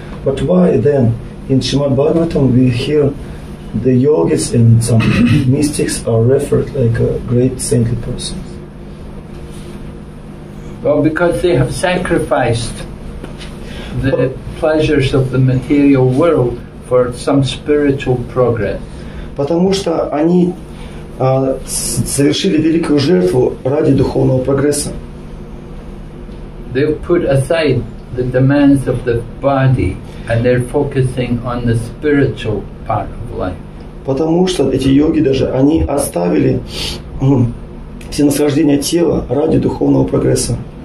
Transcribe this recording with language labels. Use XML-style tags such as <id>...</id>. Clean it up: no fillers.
<en>But why then in Srimad Bhagavatam we hear the yogis and some mystics are referred like a great saintly person? Well, because they have sacrificed the pleasures of the material world for some spiritual progress.</en> <ru>Потому что они совершили великую жертву ради духовного прогресса.</ru> <en>They've put aside the demands of the body and they're focusing on the spiritual part of life.</en> <ru>Потому что эти йоги даже они оставили все наслаждения тела ради духовного прогресса.</ru>